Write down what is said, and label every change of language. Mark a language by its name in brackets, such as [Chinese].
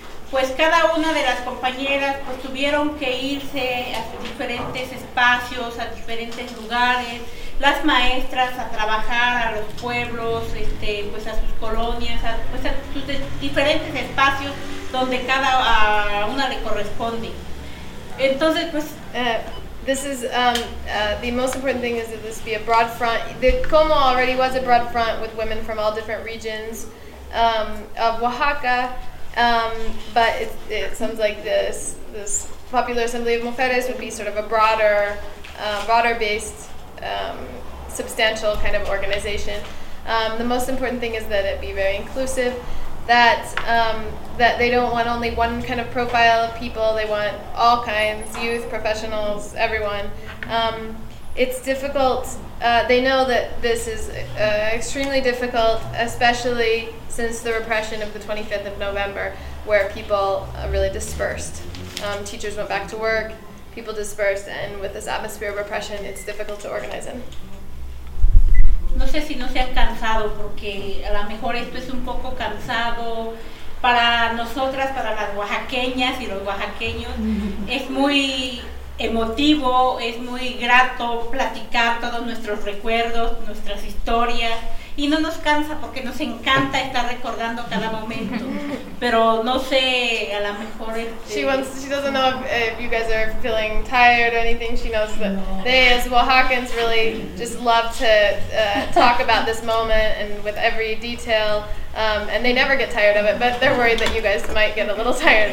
[Spanish] pues cada una de las compañeras pues tuvieron que irse a diferentes espacios, a diferentes lugares, las maestras a trabajar a los pueblos, pues a sus colonias, a sus diferentes espacios donde cada una le corresponde. Entonces, pues... [English] This is the most important thing is that this be a broad front. The COMO already was a broad front with women from all different regions of Oaxaca, but it sounds like this Popular Assembly of Mujeres would be sort of a broader-based, substantial kind of organization. The most important thing is that it be very inclusive, that they don't want only one kind of profile of people, they want all kinds, youth, professionals, everyone. It's difficult, they know that this is extremely difficult, especially since the repression of the 25th of November, where people really dispersed. Teachers went back to work, people dispersed, and with this atmosphere of repression, it's difficult to organize in. [Spanish] No sé si no se han cansado, porque a lo mejor esto es un poco cansado para nosotras, para las oaxaqueñas y los oaxaqueños. Es muy emotivo, es muy grato platicar todos nuestros recuerdos, nuestras historias, y no nos cansa porque nos encanta estar recordando cada momento. Pero no sé, a lo mejor [English] She doesn't know if you guys are feeling tired or anything. She knows that they, as Oaxacans, really just love to talk about this moment and with every detail. And they never get tired of it, but they're worried that you guys might get a little tired